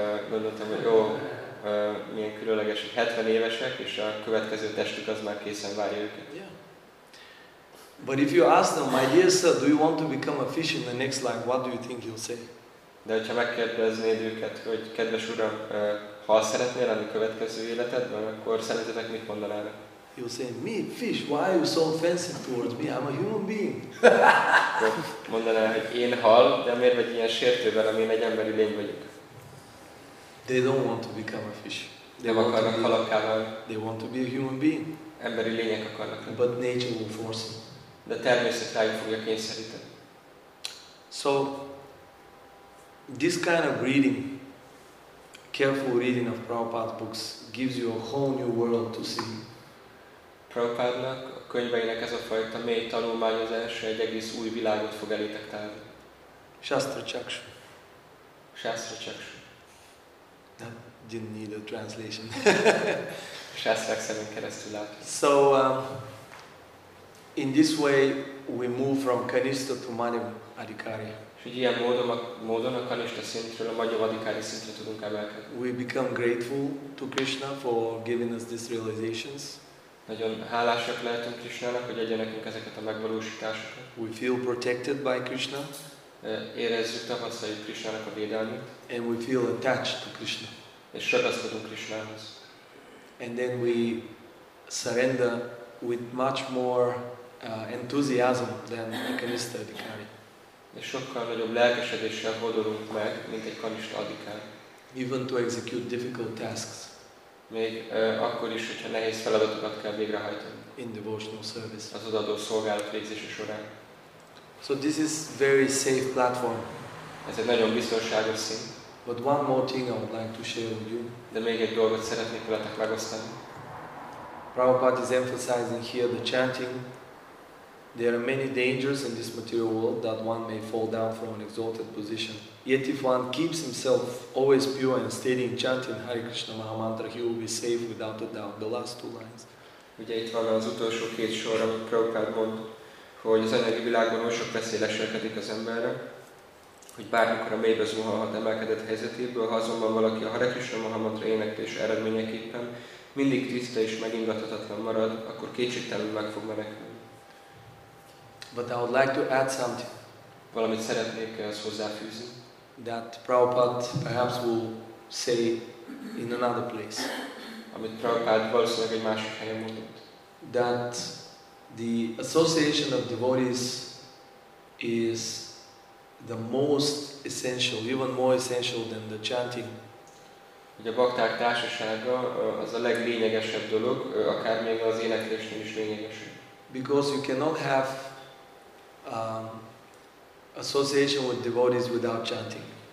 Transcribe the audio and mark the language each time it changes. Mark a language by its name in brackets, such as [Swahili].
[Hungarian] Gondoltam, hogy jó, milyen különleges, 70 évesek, és a következő testük az már készen várja őket. [English] But if you ask them, my dear sir, do you want to become a fish in the next life, what do you think you'll say? [Hungarian] De hogyha megkérdeznéd őket, hogy kedves uram, ha szeretnél lenni következő életedben, akkor szerintetek mit mondanál? [English] You say, me, fish, why are you so offensive towards me? I'm a human being. [Hungarian] Mondaná, hogy én hal, de miért vagy ilyen sértőben, ami egy emberi lény vagyok? [English] They don't want to become a fish. [Hungarian] Nem akarnak halakká válni. [English] They want to be a human being. [Hungarian] Emberi lények akarnak lenni. [English] But nature will force them. [Hungarian] De természet rájuk fogja kényszeríteni. [English] So, this kind of reading, careful reading of Prabhupada's books gives you a whole new world to see. [Hungarian] Prabhupádnak a könyveinek ez a fajta mély tanulmányozás egy egész új világot fog elétek tárni. [Sanskrit] Shastra Chakshu. [English] No, didn't need a translation. [Hungarian] Shastrák szemén keresztül lát. [English] So, in this way, we move from Kanishta to Madhyama Adhikarya. [Hungarian] És így ilyen módon a kanista szintről, a magyavadikári szintre tudunk emelkedni. [English] We become grateful to Krishna for giving us these realizations. [Hungarian] Nagyon hálásak lehetünk Krishnának, hogy adja nekünk ezeket a megvalósításokat. [English] We feel protected by Krishna. [Hungarian] Érezzük, tapasztaljuk Krishnának a védelmét. [English] And we feel attached to Krishna. [Hungarian] És ragaszkodunk Krishnához. [English] And then we surrender with much more enthusiasm than a kanista adhikari. [Hungarian] És sokkal nagyobb lelkesedéssel hordolunk meg, mint egy kanista adhikari. [English] Even to execute difficult tasks. [Hungarian] Még akkor is, hogyha nehéz feladatokat kell végrehajtani. [English] In devotional service. [Hungarian] Az odaadó szolgálat végzése során. [English] So this is very safe platform. [Hungarian] Ez egy nagyon biztonságos szint. [English] But one more thing I would like to share with you. [Hungarian] De még egy dolgot szeretnék veletek megosztani. [English] Prabhupada is emphasizing here the chanting. There are many dangers in this material world that one may fall down from an exalted position. Yet if one keeps himself always pure and steady in chanting Hare Krishna Maha Mantra, he will be safe without a doubt. The last two lines. [Hungarian] Ugye itt van az utolsó két sor, amit Prabhupada mond, hogy az anyagi világban oly sok veszély leselkedik az emberre, hogy bármikor a mélybe zuhanhat emelkedett helyzetéből, ha azonban valaki a Hare Krishna Maha Mantra éneklés eredményeképpen mindig tiszta és megingathatatlan marad, akkor kétségtelenül meg fog menekülni. [English] But I would like to add something. [Hungarian] Valamit szeretnék ezt hozzáfűzni. [English] That Prabhupada perhaps will say in another place. [Hungarian] Amit Prabhupada valószínűleg egy másik helyen mondott. [English] That the association of devotees is the most essential, even more essential than the chanting. [Hungarian] Hogy a bakták társasága az a leglényegesebb dolog, akár még az éneklésnél is lényegesebb. [English] Because you cannot have association with devotees without chanting.